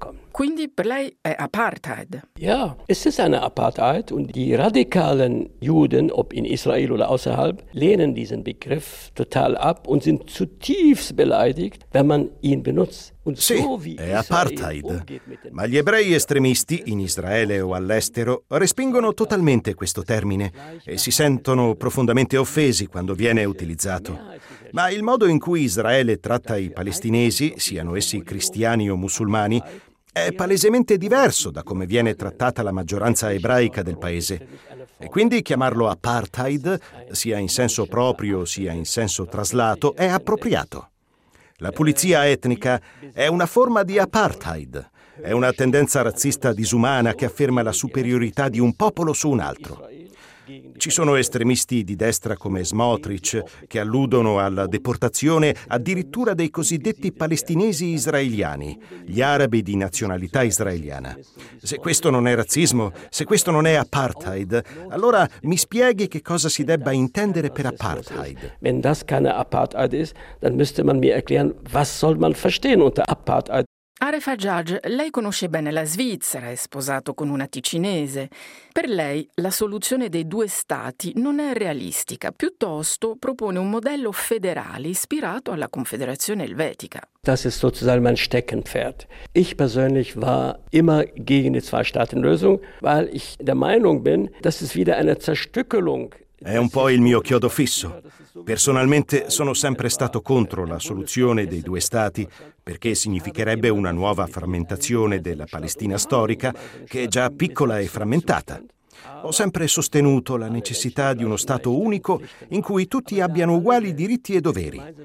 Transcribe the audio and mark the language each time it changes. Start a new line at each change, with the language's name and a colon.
Italian: Quindi per lei è apartheid?
German: Ja, es ist eine Apartheid und die radikalen Juden, ob in Israel oder außerhalb, lehnen diesen Begriff total ab und sind zutiefst beleidigt, wenn man ihn benutzt.
Italian: Sì, è apartheid. Ma gli ebrei estremisti, in Israele o all'estero, respingono totalmente questo termine e si sentono profondamente offesi quando viene utilizzato. Ma il modo in cui Israele tratta i palestinesi, siano essi cristiani o musulmani, è palesemente diverso da come viene trattata la maggioranza ebraica del paese. E quindi chiamarlo apartheid, sia in senso proprio sia in senso traslato, è appropriato. La pulizia etnica è una forma di apartheid. È una tendenza razzista disumana che afferma la superiorità di un popolo su un altro. Ci sono estremisti di destra come Smotrich che alludono alla deportazione addirittura dei cosiddetti palestinesi israeliani, gli arabi di nazionalità israeliana. Se questo non è razzismo, se questo non è apartheid, allora mi spieghi che cosa si debba intendere per apartheid.
German: Wenn das keine Apartheid ist, dann müsste man mir erklären, was soll man verstehen unter Apartheid?
Italian: Aref Hajjaj, lei conosce bene la Svizzera, è sposato con una ticinese. Per lei la soluzione dei due stati non è realistica, piuttosto propone un modello federale ispirato alla Confederazione Elvetica.
German: Das ist sozusagen mein Steckenpferd. Ich persönlich war immer gegen die Zwei-Staaten-Lösung, weil ich der Meinung bin, dass es wieder eine Zerstückelung.
Italian: È un po' il mio chiodo fisso. Personalmente sono sempre stato contro la soluzione dei due stati perché significherebbe una nuova frammentazione della Palestina storica che è già piccola e frammentata. Ho sempre sostenuto la necessità di uno Stato unico in cui tutti abbiano uguali diritti e doveri.